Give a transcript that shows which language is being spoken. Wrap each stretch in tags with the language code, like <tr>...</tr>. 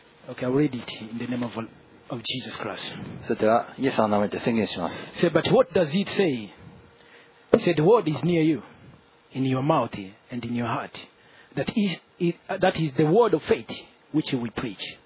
<en>Okay, I'll read it in the name of Jesus Christ.</en> <ja>それではイエスの名前で宣言します。</ja> <en>Say, but what does it say? He said, the word is near you, in your mouth and in your heart. That is the word of faith which we preach.</en>